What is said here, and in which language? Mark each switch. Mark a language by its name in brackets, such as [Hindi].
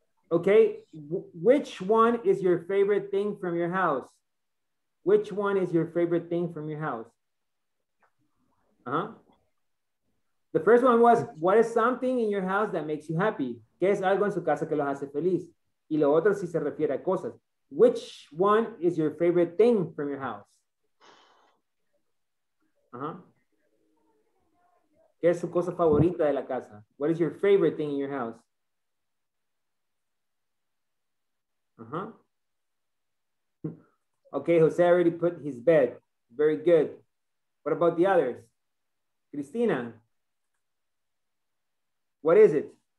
[English] Okay, which one is your favorite thing from your house? Which one is your favorite thing from your house? Uh-huh. The first one was, what is something in your house that makes you happy? [Spanish] ¿Qué es algo en su casa que los hace feliz? Y lo otro si se refiere a cosas. [English] Which one is your favorite thing from your house? Uh-huh. [Spanish] ¿Qué es su cosa favorita de la casa? [English] What is your favorite thing in your house? Uh-huh. Okay, Jose already put his bed. Very good. What about the others? Cristina. What is it?